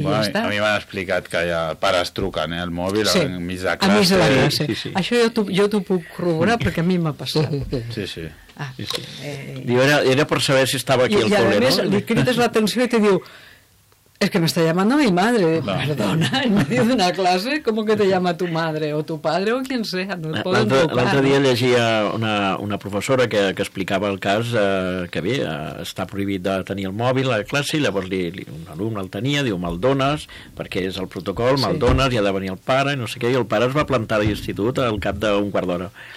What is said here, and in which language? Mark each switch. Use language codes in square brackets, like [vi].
[ca] Bueno, ja a mi m'han explicat que hi ha pares truquen al mòbil, sí, enmig de classe. A mi se l'ha dit, sí. Això jo t'ho puc corroborar perquè a mi m'ha passat. Sí, sí. Sí, sí. Era per saber si estava aquí i el col·le, no? I a més li crides l'atenció i te diu és que m'està llamant [es] a mi madre. [ca] No. [es] Perdona, en medio [ca] d'una classe, com que [es] te llama tu madre o tu padre o quien sea? [ca] No et poden trucar. L'altre dia llegia una professora que explicava el cas que bé, està prohibit de tenir el mòbil a classe i llavors un alumne el tenia, diu, me'l dones perquè és el protocol, me'l dones, hi ha de venir el pare i no sé què, i el pare es va plantar a l'institut al cap d'un quart d'hora.